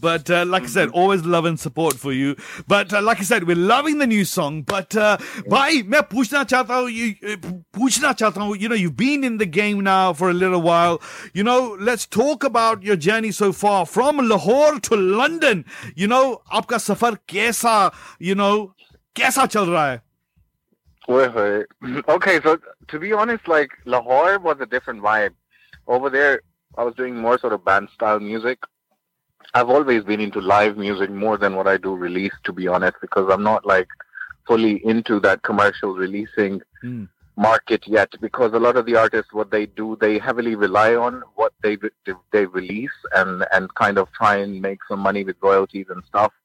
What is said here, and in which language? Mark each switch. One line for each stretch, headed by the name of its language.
English: But like I said, always love and support for you. But like I said, we're loving the new song. But
Hindi: bhai, main puchna chahta hu,
English: you know, you've been in the game now for a little while. You know, let's talk about your journey so far from Lahore to London. You know,
Hindi: आपका सफ़र कैसा चल रहा है?
English: Okay, so to be honest, like Lahore was a different vibe. Over there, I was doing more sort of band-style music. I've always been into live music more than what I do release, to be honest, because I'm not, like, fully into that commercial releasing market yet, because a lot of the artists, what they do, they heavily rely on what they release and kind of try and make some money with royalties and stuff.